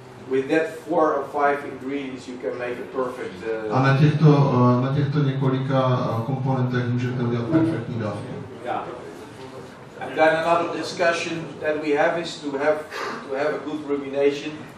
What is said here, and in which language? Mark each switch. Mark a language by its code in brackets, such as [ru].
[en] With that four or five ingredients you can make a perfect [cs] A na těchto několika komponentech můžete udělat perfektní dávku. [en] Yeah. And then another discussion that we have is to have a good rumination.